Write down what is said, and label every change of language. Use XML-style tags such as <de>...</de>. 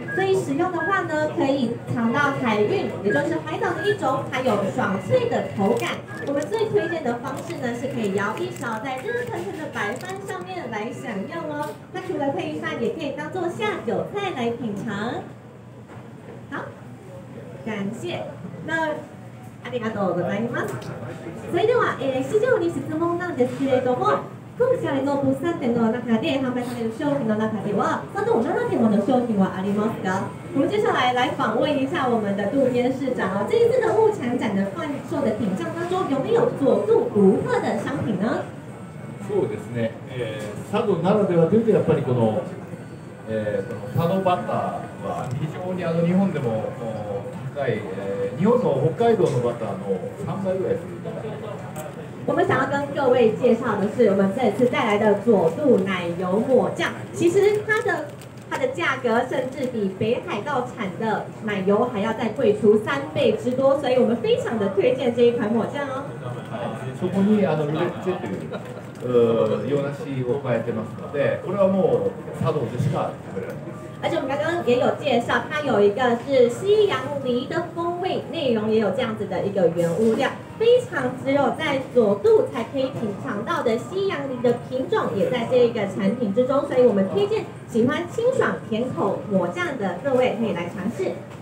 <zh>所以使用的话呢，可以尝到海韵，也就是海藻的一种，还有爽脆的口感。我们最推荐的方式呢，是可以舀一勺在热腾腾的白饭上面来享用哦。它除了配饭，也可以当做下酒菜来品尝。好，感谢。</zh> <ja>那ありがとうございます。それでは、市場に質問なんですけれども。今回の物産展の中で販売される商品の中では、佐渡ならではの商品はありますか？</ja> <zh>我们接下来来访问一下我们的渡边市长哦。这一次的物产展的贩售的品项当中，有没有佐渡独特的商品呢？</zh> <ja>そうですね。佐渡ならではというとやっぱりこの、佐渡バターは非常に日本でも高い、日本の北海道のバターの3倍ぐらいです。</ja> <zh>我们想要跟各位介绍的是，我们这次带来的佐渡奶油抹酱，其实它的价格甚至比北海道产的奶油还要再贵出三倍之多，所以我们非常的推荐这一款抹酱哦。</zh> <ja>そこにルベチェという洋梨を加えてますので、これはもう佐渡でしか食べられない。</ja> <zh>而且我们刚刚也有介绍，它有一个是西洋梨的风味，内容也有这样子的一个原物料，非常只有在佐渡才可以品尝到的西洋梨的品种，也在这一个产品之中，所以我们推荐喜欢清爽甜口抹酱的各位可以来尝试。</zh>